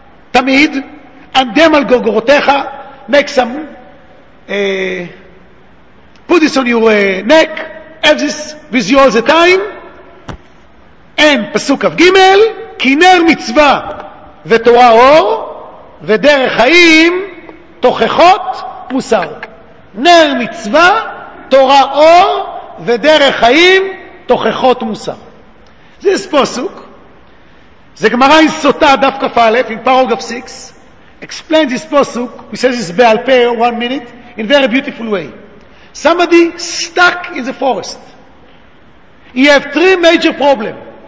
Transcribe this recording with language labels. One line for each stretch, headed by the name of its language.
Hebrew: תמיד, אנדם על גורגורותיך,
English: make some, put this on your neck, have this with you all the time,
Hebrew: and פסוק כ"ג, כינר מצווה ותורה אור, ודרך חיים תוכחות מוסר. נר מצווה, תורה אור, ודרך חיים תוכחות מוסר.
English: This פסוק, the Gemara in Sota, Daf Kaf Aleph, in paragraph 6, explains this posuk, which says it's Be'al Peh, 1 minute, in a very beautiful way. Somebody stuck in the forest. He has 3 major problems.